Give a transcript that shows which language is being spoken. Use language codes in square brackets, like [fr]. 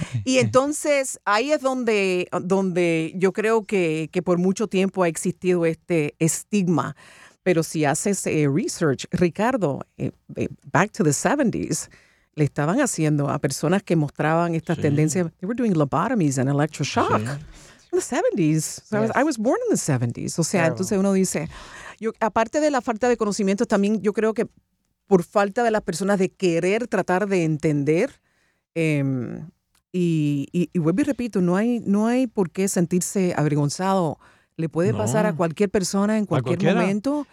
[es] Y entonces ahí es donde yo creo que por mucho tiempo ha existido este estigma. Pero si haces research, Ricardo, [en] back to the 70s, [es] le estaban haciendo a personas que mostraban estas sí. tendencias. [en] They were doing lobotomies and electroshock sí. in the 70s. So yes. I was born in the 70s. [es] O sea, claro. Entonces uno dice, yo, aparte de la falta de conocimiento, también yo creo que por falta de las personas de querer tratar de entender, y vuelvo y repito, no hay por qué sentirse avergonzado. Le puede pasar a cualquier persona en cualquier momento.